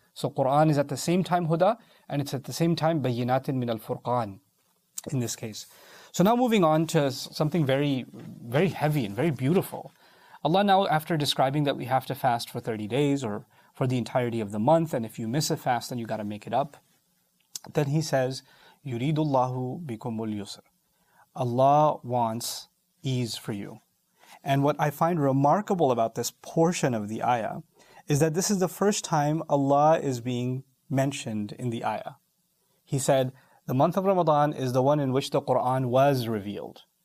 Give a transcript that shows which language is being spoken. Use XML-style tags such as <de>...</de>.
<en>So Qur'an is at the same time huda, and it's at the same time</en> <ar>bayinatin min al-furqan,</ar> <en>in this case. So now moving on to something very, very heavy and very beautiful. Allah now, after describing that we have to fast for 30 days or for the entirety of the month, and if you miss a fast, then you got to make it up.</en> <ar>Then He says, يُرِيدُ اللَّهُ بِكُمُ الْيُسْرِ.</ar> <en>Allah wants ease for you. And what I find remarkable about this portion of the ayah is that this is the first time Allah is being mentioned in the ayah. He said, the month of Ramadan is the one in which the Quran was revealed.</en>